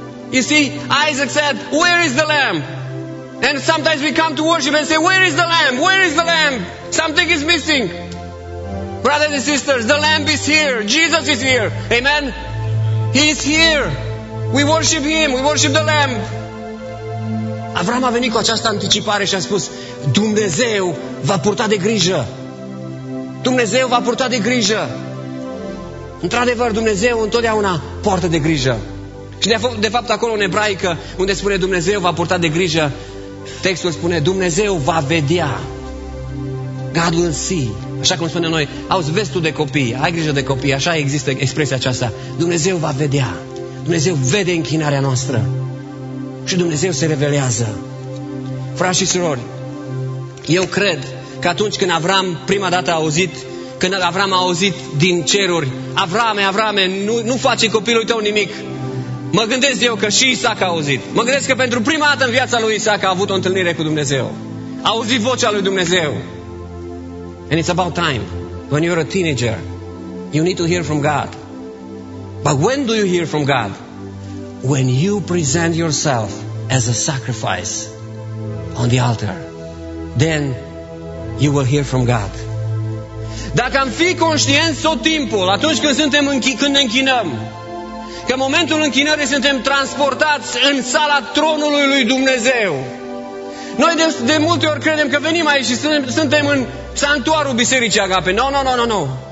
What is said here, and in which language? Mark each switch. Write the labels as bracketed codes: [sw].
[en] You see, Isaac said, where is the lamb? And sometimes we come to worship and say, where is the lamb? Where is the lamb? Something is missing. Brothers and sisters, the lamb is here. Jesus is here. Amen? He is here. We worship him. We worship the lamb. [ro] Avram a venit cu această anticipare și a spus: Dumnezeu va purta de grijă. Dumnezeu va purta de grijă. Într-adevăr, Dumnezeu întotdeauna poartă de grijă. Și de fapt acolo în ebraică, unde spune Dumnezeu va purta de grijă, textul spune Dumnezeu va vedea. [en] God will see. [ro] Așa cum spune noi, auzi, vezi tu de copii, ai grijă de copii, așa există expresia aceasta. Dumnezeu va vedea. Dumnezeu vede închinarea noastră. Și Dumnezeu se revelează. Frați și surori, eu cred că atunci când Avram prima dată a auzit, când Avram a auzit din ceruri, Avrame, Avrame, nu face copilul tău nimic. Mă gândesc eu că și Isaac a auzit. Mă gândesc că pentru prima dată în viața lui Isaac a avut o întâlnire cu Dumnezeu. A auzit vocea lui Dumnezeu. [en] And it's about time. When you're a teenager, you need to hear from God. But when do you hear from God? When you present yourself as a sacrifice on the altar, then you will hear from God. [ro] Dacă am fi conștienți tot timpul, atunci când suntem când ne închinăm, că în momentul închinării suntem transportați în sala tronului lui Dumnezeu. Noi de multe ori credem că venim aici și suntem în sanctuarul Bisericii Agape. No.